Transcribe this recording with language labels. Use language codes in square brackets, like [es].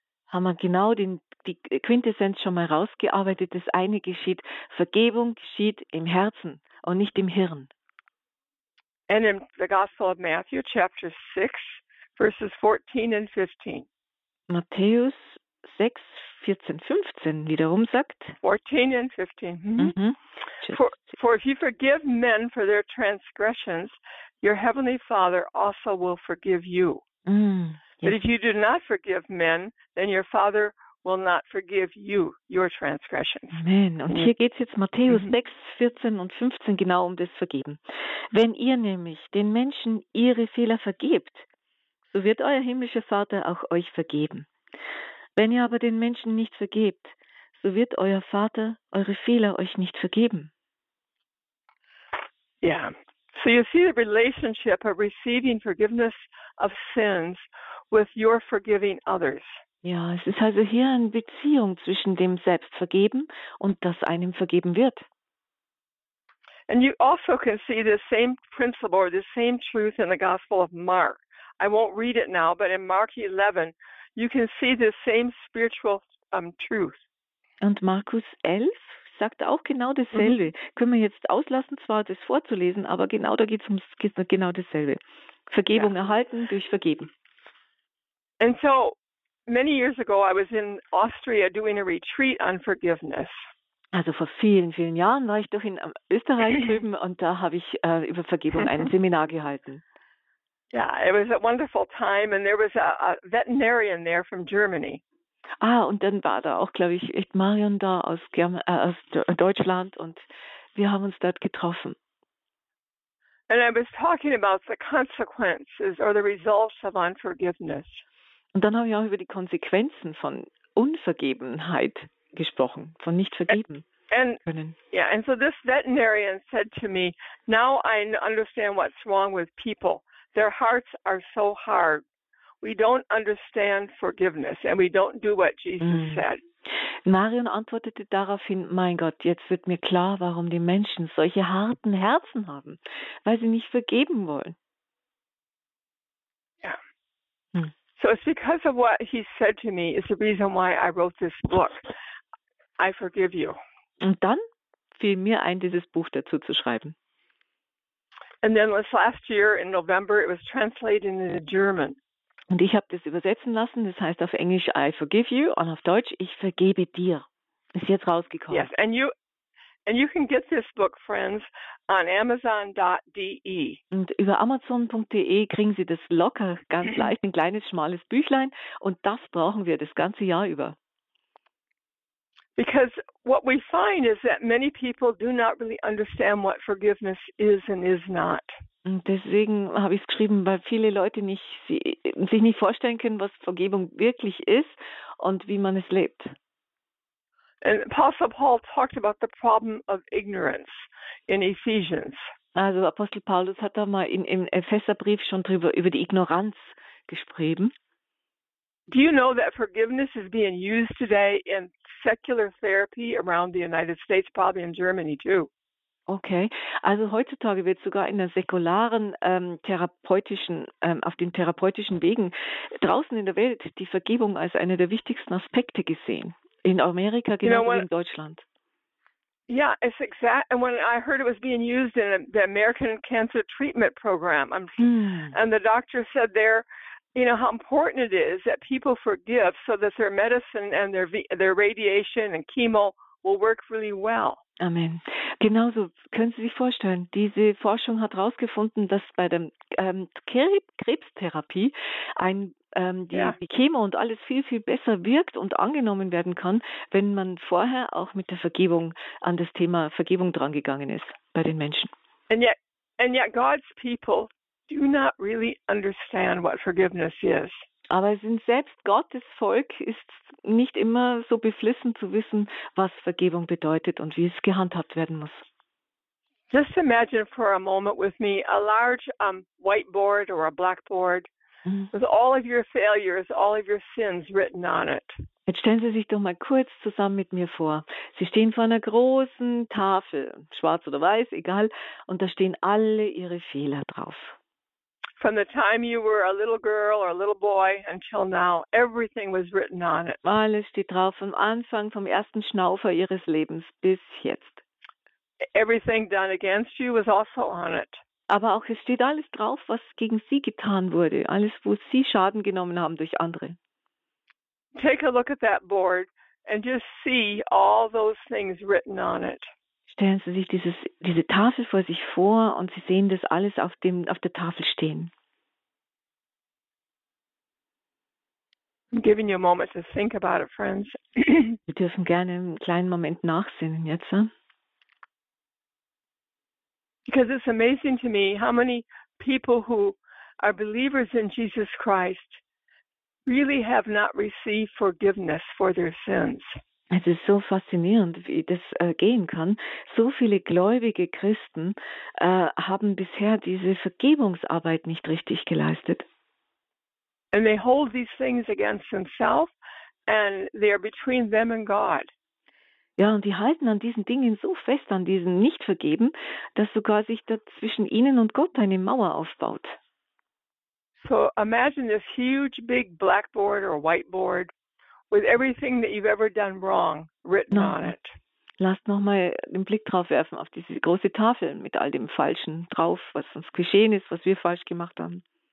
[de] Haben wir genau die Quintessenz schon mal rausgearbeitet. Das eine geschieht, Vergebung geschieht im Herzen und nicht im Hirn. [en] And in the Gospel of Matthew, chapter 6, verses 14 and 15. [de] Matthäus 6, 14, 15 wiederum sagt. [en] 14 and 15. For if you forgive men for their transgressions, your heavenly Father also will forgive you. Yes. But if you do not forgive men, then your Father will not forgive you your transgressions. Amen. [de] Und hier geht es jetzt Matthäus 6, 14 und 15 genau um das Vergeben. Wenn ihr nämlich den Menschen ihre Fehler vergebt, so wird euer himmlischer Vater auch euch vergeben. Wenn ihr aber den Menschen nicht vergebt, so wird euer Vater eure Fehler euch nicht vergeben. Ja. [en] So you see the relationship of receiving forgiveness of sins with your forgiving others. [de] Ja, es ist also hier eine Beziehung zwischen dem Selbstvergeben und das einem vergeben wird. [en] And you also can see the same principle or the same truth in the Gospel of Mark. I won't read it now, but in Mark 11, you can see the same spiritual truth. [de] Und Markus 11 sagt auch genau dasselbe. Mhm. Können wir jetzt auslassen, zwar das vorzulesen, aber genau da geht es genau dasselbe. Vergebung erhalten durch Vergeben. [en] And so, many years ago, I was in Austria doing a retreat on forgiveness. [de] Also vor vielen, vielen Jahren war ich doch in Österreich drüben und da habe ich über Vergebung ein Seminar gehalten. [en] Yeah, it was a wonderful time and there was a veterinarian there from Germany. [de] Ah, und dann war da auch, glaube ich, echt Marion da aus Deutschland und wir haben uns dort getroffen. [en] And I was talking about the consequences or the results of unforgiveness. [de] Und dann habe ich auch über die Konsequenzen von Unvergebenheit gesprochen, von nicht vergeben können. [en] Yeah, and so this veterinarian said to me, now I understand what's wrong with people. Their hearts are so hard. We don't understand forgiveness and we don't do what Jesus said. [de] Marion antwortete daraufhin, mein Gott, jetzt wird mir klar, warum die Menschen solche harten Herzen haben, weil sie nicht vergeben wollen. [en] Yeah. So it's because of what he said to me is the reason why I wrote this book. I forgive you. [de] Und dann fiel mir ein, dieses Buch dazu zu schreiben. [en] And then this last year in November it was translated into German. [de] Und ich habe das übersetzen lassen, das heißt auf Englisch [en] I forgive you [de] und auf Deutsch ich vergebe dir. Ist jetzt rausgekommen. [en] Yes, and you can get this book, friends, on amazon.de. [de] Und über amazon.de kriegen Sie das locker, ganz leicht, ein kleines, schmales Büchlein. Und das brauchen wir das ganze Jahr über. [en] Because what we find is that many people do not really understand what forgiveness is and is not. [de] Und deswegen habe ich es geschrieben, weil viele Leute sich nicht vorstellen können, was Vergebung wirklich ist und wie man es lebt. [en] And Apostle Paul talked about the problem of ignorance in Ephesians. [de] Also Apostel Paulus hat da mal im Epheserbrief schon drüber über die Ignoranz geschrieben. [en] Do you know that forgiveness is being used today in secular therapy around the United States, probably in Germany too? [de] Okay, also heutzutage wird sogar in der säkularen auf den therapeutischen Wegen draußen in der Welt die Vergebung als einer der wichtigsten Aspekte gesehen. In Amerika genau wie in Deutschland. [en] Yeah, it's exact. And when I heard it was being used in the American Cancer Treatment Program, and the doctor said there, you know how important it is that people forgive so that their medicine and their radiation and chemo will work really well. Amen. [de] Genauso können Sie sich vorstellen, diese Forschung hat herausgefunden, dass bei der Krebstherapie die Chemo und alles viel, viel besser wirkt und angenommen werden kann, wenn man vorher auch mit der Vergebung an das Thema Vergebung drangegangen ist bei den Menschen. [en] And yet God's people do not really understand what forgiveness is. [de] Aber selbst Gottes Volk ist nicht immer so beflissen zu wissen, was Vergebung bedeutet und wie es gehandhabt werden muss. [en] Just imagine for a moment with me a large whiteboard or a blackboard with all of your failures, all of your sins written on it. [de] Jetzt stellen Sie sich doch mal kurz zusammen mit mir vor. Sie stehen vor einer großen Tafel, schwarz oder weiß, egal, und da stehen alle Ihre Fehler drauf. [en] From the time you were a little girl or a little boy until now, everything was written on it. [de] Alles steht drauf, vom Anfang, vom ersten Schnaufer ihres Lebens bis jetzt. [en] Everything done against you was also on it. [de] Aber auch es steht alles drauf, was gegen Sie getan wurde, alles, wo Sie Schaden genommen haben durch andere. [en] Take a look at that board and just see all those things written on it. [de] Stellen Sie sich diese Tafel vor sich vor und Sie sehen das alles auf der Tafel stehen. [en] I'm giving you a moment to think about it, friends. [de] Wir dürfen gerne einen kleinen Moment nachsinnen jetzt. [en] Because it's amazing to me how many people who are believers in Jesus Christ really have not received forgiveness for their sins. [de] Es ist so faszinierend, wie das gehen kann. So viele gläubige Christen haben bisher diese Vergebungsarbeit nicht richtig geleistet. [en] And they hold these things against themselves and they are between them and God. [de] Ja, und die halten an diesen Dingen so fest, an diesen Nichtvergeben, dass sogar sich da zwischen ihnen und Gott eine Mauer aufbaut. [en] So imagine this huge big blackboard or whiteboard with everything that you've ever done wrong written on it. [de] Lasst noch mal den Blick drauf werfen auf diese große Tafel mit all dem Falschen drauf, was uns geschehen ist, was wir falsch gemacht haben.